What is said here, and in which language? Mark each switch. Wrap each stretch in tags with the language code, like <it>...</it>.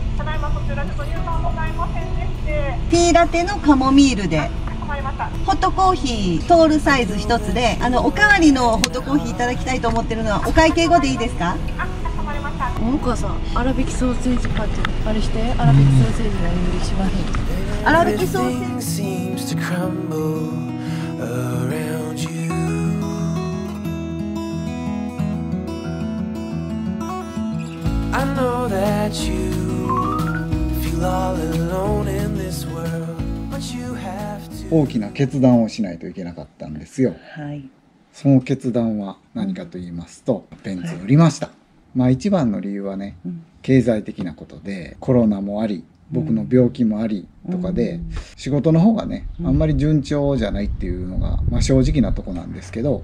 <ja>ただいまこちらちょっと入荷ございませんでして、ティーラテのカモミールで、わかりました。ホットコーヒートールサイズ一つで、おかわりのホットコーヒーいただきたいと思ってるのは、お会計後でいいですか？あ、わかりました。さん、粗挽きソーセージパッチあれして、粗挽きソーセージが一番いい。</ja> <en>Everything seems to crumble around you. I know that you feel all alone in this world, but you have to.</en> <ja>大きな決断をしないといけなかったんですよ。はい。その決断は何かと言いますと、ベンツ売りました。はい、まあ一番の理由はね、うん、経済的なことで、コロナもあり、僕の病気もありとかで、うん、仕事の方がね、うん、あんまり順調じゃないっていうのが、まあ、正直なとこなんですけど、</ja>